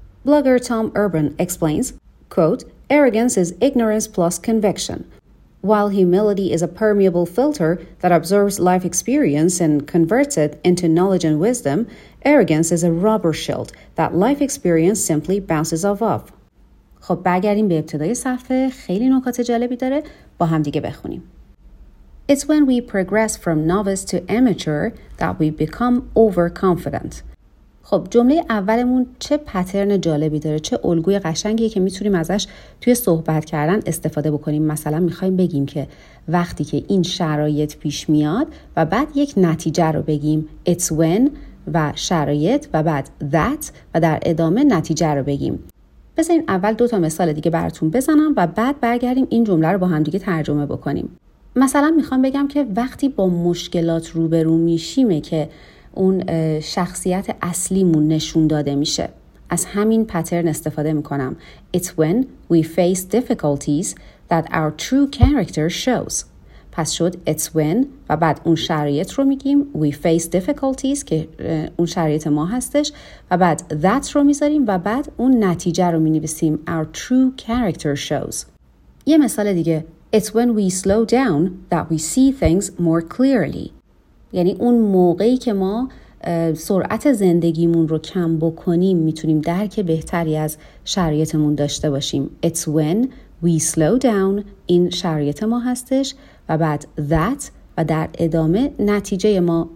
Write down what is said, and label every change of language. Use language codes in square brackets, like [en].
[en] Blogger Tom Urban explains, quote, arrogance is ignorance plus conviction. While humility is a permeable filter that absorbs life experience and converts it into knowledge and wisdom, arrogance is a rubber shield that life experience simply bounces off. [fa] خب برگردیم به ابتدای صفحه، خیلی نکات جالبی داره، با هم دیگه بخونیم. [en] It's when we progress from novice to amateur that we become overconfident. [fa] خب جمله اولمون چه پترن جالبی داره، چه الگوی قشنگیه که میتونیم ازش توی صحبت کردن استفاده بکنیم. مثلا میخواییم بگیم که وقتی که این شرایط پیش میاد و بعد یک نتیجه رو بگیم، [en] it's when [fa] و شرایط و بعد that و در ادامه نتیجه رو بگیم. بذارین اول دوتا مثال دیگه براتون بزنم و بعد برگردیم این جمله رو با هم دیگه ترجمه بکنیم. مثلا میخوام بگم که وقتی با مشکلات روبرو میشیمه که اون شخصیت اصلیمون نشون داده میشه. از همین پترن استفاده میکنم. [en] It's when we face difficulties that our true character shows. [fa] پس شد [en] it's when [fa] و بعد اون شرایط رو میگیم. [en] We face difficulties [fa] که اون شرایط ما هستش و بعد that رو میذاریم و بعد اون نتیجه رو مینویسیم. [en] Our true character shows. [fa] یه مثال دیگه. It's when we slow down that we see things more clearly. یعنی اون موقعی که ما سرعت زندگیمون رو کم بکنیم میتونیم درک بهتری از شرایطمون داشته باشیم. [en] It's when we slow down. [fa] این شرایط ما هستش و بعد that و در ادامه نتیجه ما.